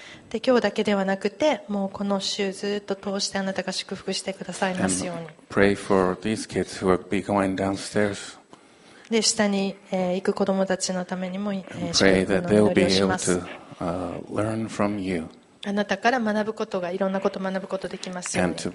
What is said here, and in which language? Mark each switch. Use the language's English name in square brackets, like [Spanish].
[Japanese] 今日だけではなくて、もうこの週ずっと通してあなたが祝福してくださいますように。 [English] Pray for these kids who will be going downstairs. [Japanese] で下に行く子どもたちのためにも祝福の祈りをします。あなたから学ぶことが、いろんなことを学ぶことができますように。